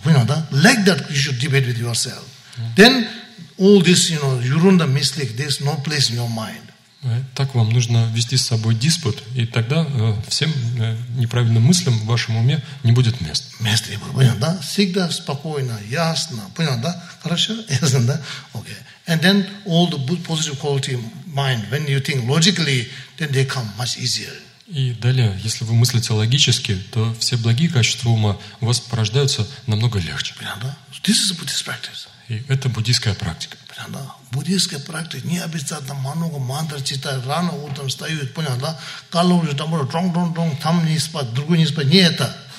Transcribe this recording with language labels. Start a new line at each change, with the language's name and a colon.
Russian: Понятно, да?
English: Like that you should debate with yourself. Then all this, you know,
Russian: ерунда, мистик,
English: there's no place in your mind.
Russian: Так вам нужно вести с собой диспут, и тогда всем неправильным мыслям в вашем уме не будет места. Места не будет, понятно, да? Всегда спокойно, ясно, понятно, да? Хорошо? Ясно, да? Okay.
English: And then all the positive quality mind, when you think logically, then they come much easier.
Russian: И далее, если вы мыслите логически, то все благие качества ума у вас порождаются намного легче. Понятно, да?
English: So this is a Buddhist practice.
Russian: И это буддийская практика. Понятно, да? Буддийская практика не обязательно много мантр читать, рано утром встают, понятно, да? Калуджи, там, дрон-дрон-дрон, там не спать, другой не спать. Не это.